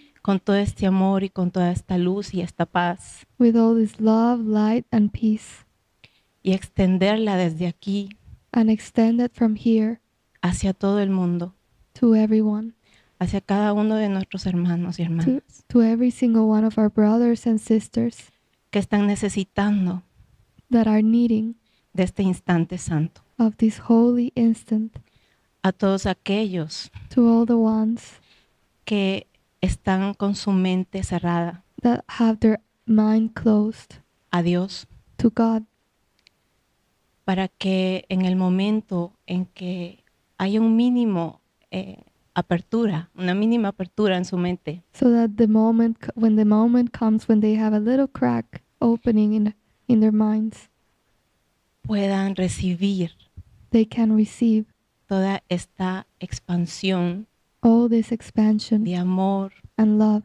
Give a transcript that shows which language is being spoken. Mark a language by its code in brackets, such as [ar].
[es] Con todo este amor y con toda esta luz y esta paz. [en] With all this love, light and peace. [es] Y extenderla desde aquí. [en] And extend it from here. [es] Hacia todo el mundo. [en] To everyone. [es] Hacia cada uno de nuestros hermanos y hermanas. [en] To every single one of our brothers and sisters. [es] Que están necesitando. [en] That are needing. [es] De este instante santo. [en] Of this holy instant. [es] A todos aquellos. [en] To all the ones. [es] Que están con su mente cerrada. [en] That have their mind closed. [es] A Dios. [en] To God. [es] para que en el momento en que hay un mínimo apertura, una mínima apertura en su mente. [en] So that the moment comes when they have a little crack opening in their minds, [es] puedan recibir. [en] They can receive [es] toda esta expansión. [en] All this expansion. [es] De amor. [en] And love.